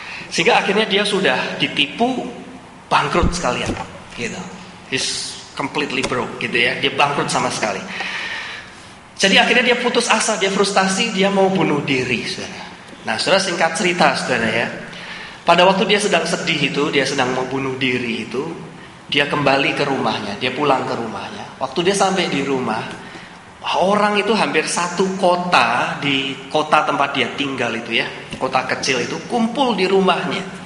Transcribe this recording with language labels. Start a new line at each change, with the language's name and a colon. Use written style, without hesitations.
Indonesian: Sehingga akhirnya dia sudah ditipu, bangkrut sekalian gitu.
English: He's completely broke
Indonesian: gitu ya, dia bangkrut sama sekali. Jadi akhirnya dia putus asa, dia frustasi, dia mau bunuh diri saudara. Nah saudara, singkat cerita saudara ya, pada waktu dia sedang sedih itu, dia sedang mau bunuh diri itu, dia kembali ke rumahnya, dia pulang ke rumahnya. Waktu dia sampai di rumah, orang itu hampir satu kota di kota tempat dia tinggal itu ya, kota kecil itu, kumpul di rumahnya.